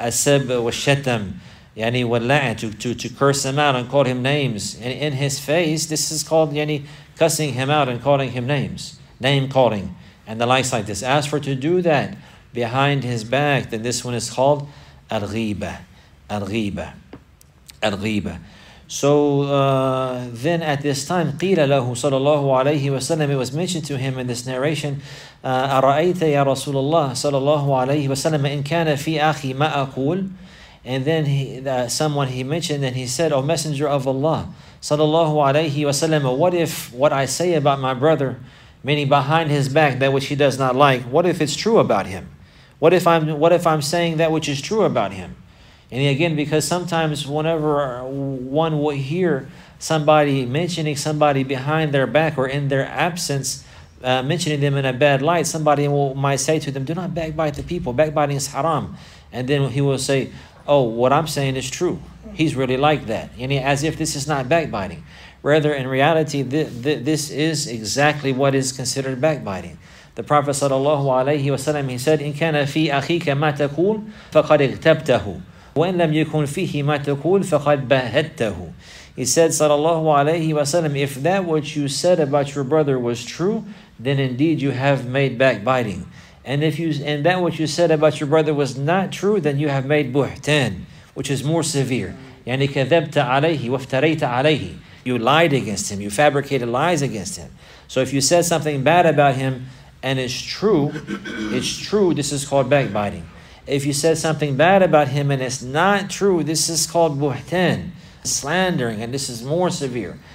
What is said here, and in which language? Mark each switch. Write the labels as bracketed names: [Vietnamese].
[Arabic] السَبْ وَشَتَمْ يعني واللعن, [English] to curse him out and call him names. And in his face, this is called يعني cussing him out and calling him names. Name calling. And the likes like this. As for to do that behind his back, then this one is called الغيبة. [Arabic] الغيبة. الغيبة. [English] So then at this time, [Arabic] قيل له صلى الله عليه وسلم, [English] it was mentioned to him in this narration, [Arabic] أرأيت يا رسول الله صلى الله عليه وسلم إن كان في أخي ما أقول. [English] And then he said, O Messenger of Allah, sallallahu alayhi wa sallam, what if what I say about my brother, meaning behind his back, that which he does not like, what if it's true about him? What if I'm saying that which is true about him? And again, because sometimes whenever one will hear somebody mentioning somebody behind their back or in their absence, mentioning them in a bad light, somebody might say to them, do not backbite the people, backbiting is haram. And then he will say, oh, what I'm saying is true. He's really like that. Yani, as if this is not backbiting. Rather, in reality, this is exactly what is considered backbiting. The Prophet sallallahu alayhi wa sallam, he said, [Arabic] إِنْ كَانَ فِي أَخِيكَ مَا تَكُولْ فَقَدْ اِغْتَبْتَهُ وَإِنْ لَمْ يَكُنْ فِيهِ مَا تَكُولْ فَقَدْ بَهَدْتَهُ. [English] He said, sallallahu alayhi wa sallam, if that which you said about your brother was true, then indeed you have made backbiting. And that what you said about your brother was not true, then you have made buhtan, which is more severe. [Arabic] يعني كذبت عليه وافتريت عليه. [English] You lied against him. You fabricated lies against him. So if you said something bad about him and it's true, this is called backbiting. If you said something bad about him and it's not true, this is called buhtan, slandering, and this is more severe.